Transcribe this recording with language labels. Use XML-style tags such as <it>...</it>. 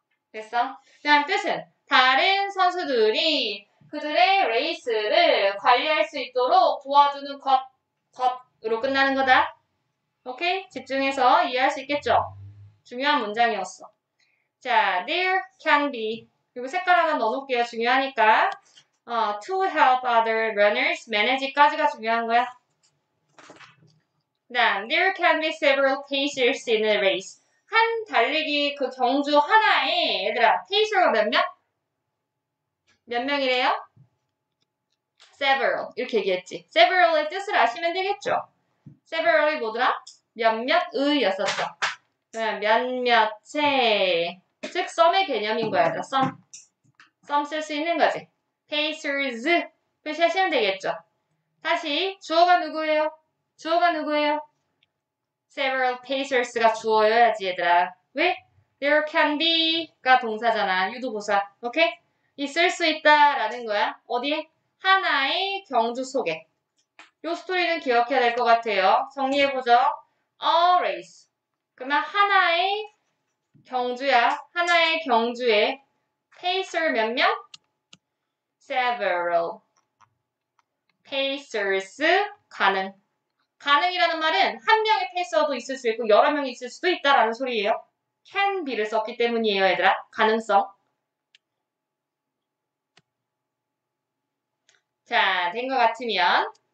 <ko>됐어? 그다음 뜻은 다른 선수들이 그들의 레이스를 관리할 수 있도록 도와주는 것으로 끝나는 거다. 오케이? 집중해서 이해할 수 있겠죠? 중요한 문장이었어. 자,</ko> <en>there can be.</en> <ko>그리고 색깔 하나 넣어놓을게요. 중요하니까.</ko> <en>to help other runners, manage</en> <ko>까지가 중요한 거야.</ko> <en>그다음, there can be several pacers in a race.</en> <ko>한 달리기 그 경주 하나에, 얘들아, pacer가 몇 명? 몇 명이래요? several. 이렇게 얘기했지. several의 뜻을 아시면 되겠죠? several이 뭐더라? 몇몇의였었어. 몇몇의. 즉, some의 개념인 거야.</ko> <en>some.</en> <ko>some 쓸수 있는 거지. Pacers 표시하시면 되겠죠. 다시 주어가 누구예요? 주어가 누구예요?</ko> <en>Several Pacers</en> <ko>가 주어여야지 얘들아. 왜?</ko> <en>There can be</en> <ko>가 동사잖아. 유도부사. 오케이? 있을 수 있다라는 거야. 어디에? 하나의 경주 속에. 요 스토리는 기억해야 될것 같아요. 정리해보죠.</ko> <en>A race.</en> <ko>그러면 하나의 경주야. 하나의 경주에 Pacer 몇 명?</ko> <en>Several pacers</en> <ko>가능. 가능이라는 말은 한 명의 패스워드 있을 수 있고 여러 명이 있을 수도 있다라는 소리예요.</ko> <en>can be</en> <ko>를 썼기 때문이에요, 얘들아. 가능성. 자, 된것 같으면.</ko>